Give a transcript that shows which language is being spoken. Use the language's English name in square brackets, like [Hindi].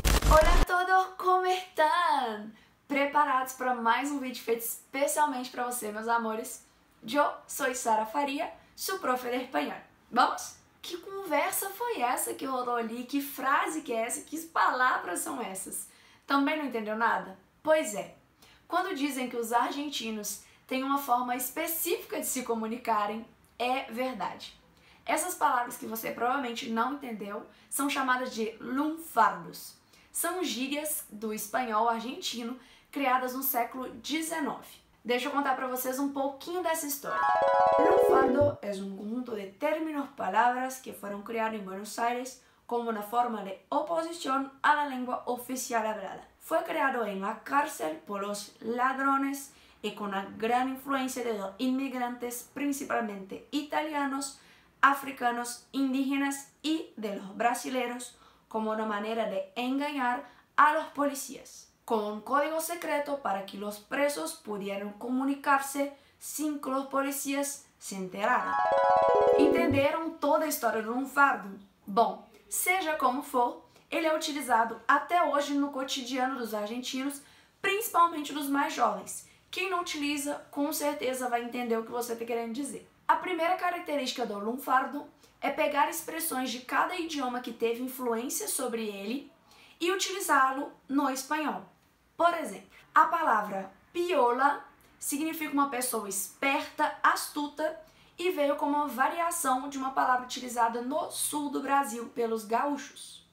[Spanish] Hola a todos, ¿cómo están? ¿Preparados para más un vídeo [Portuguese] feito [Spanish] especialmente para ustedes, mis amores? Yo soy Sara Faria, su profe de español. ¿Vamos? ¿Qué conversa fue esa que rodó allí? ¿Qué frase que es? ¿Qué palabras son esas? ¿También no entendió nada? Pues es. Cuando dicen que los argentinos [Portuguese] têm uma forma específica de se comunicarem, é verdade. Essas palavras que você provavelmente não entendeu são chamadas de lunfardos. São gírias do espanhol argentino criadas no século XIX. Deixa eu contar para vocês um pouquinho dessa história. Lunfardo é um conjunto de términos, palavras que foram criados em Buenos Aires como uma forma de oposição à língua oficial [Spanish] hablada. [Portuguese] Foi criado em [Spanish] la cárcel por os ladrones y con la gran influencia de los inmigrantes, principalmente italianos, africanos, indígenas y de los brasileños, como una manera de engañar a los policías, con un código secreto para que los presos pudieran comunicarse sin que los policías se enteraran. ¿Entendieron toda la historia de lunfardo? Bueno, sea como for, él es utilizado hasta hoy en el cotidiano de los argentinos, principalmente los más jóvenes. [Portuguese] Quem não utiliza, com certeza vai entender o que você está querendo dizer. A primeira característica do lunfardo é pegar expressões de cada idioma que teve influência sobre ele e utilizá-lo no espanhol. Por exemplo, a palavra piola significa uma pessoa esperta, astuta e veio como uma variação de uma palavra utilizada no sul do Brasil pelos gaúchos.